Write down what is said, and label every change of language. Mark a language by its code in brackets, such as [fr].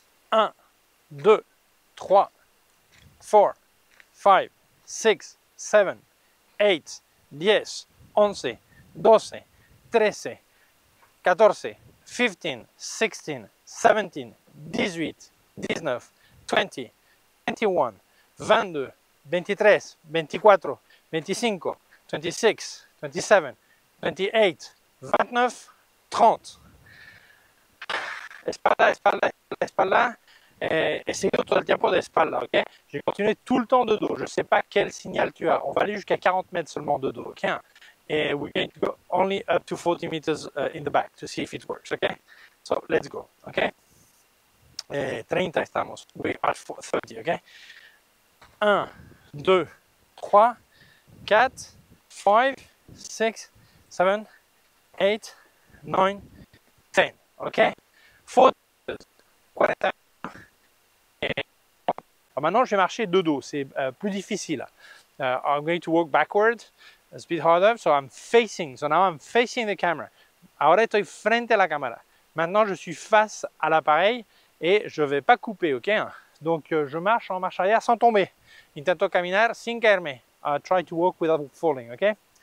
[en] 1, 2, 3, 4, 5, 6, 7, 8, 10, 11, 12, 13, 14, 15, 16, 17, 18, 19, 20, 21, 22, 23, 24, 25, 26, 27, 28, 29, 30. [es] Espalda, espalda, espalda, espalda. [fr] Essayons tout le temps de espalda, ok? J'ai continué tout le temps de dos. Je ne sais pas quel signal tu as. On va aller jusqu'à 40 mètres seulement de dos, ok? [en] Et we're going to go only up to 40 meters in the back to see if it works, ok? So, let's go, ok? [es] 30 estamos. [en] We are 30, ok? 1, 2, 3, 4, 5, 6, 7, 8, 9, 10, ok? 40 meters. [fr] Maintenant, je vais marcher de dos. C'est plus difficile. [en] I'm going to walk backward. It's a bit harder. So I'm facing. So now I'm facing the camera. [es] Ahora estoy frente a la cámara. [fr] Maintenant, je suis face à l'appareil et je ne vais pas couper, ok? Donc, je marche en marche arrière sans tomber. [es] Intento caminar sin caerme. [en] I try to walk without falling, ok?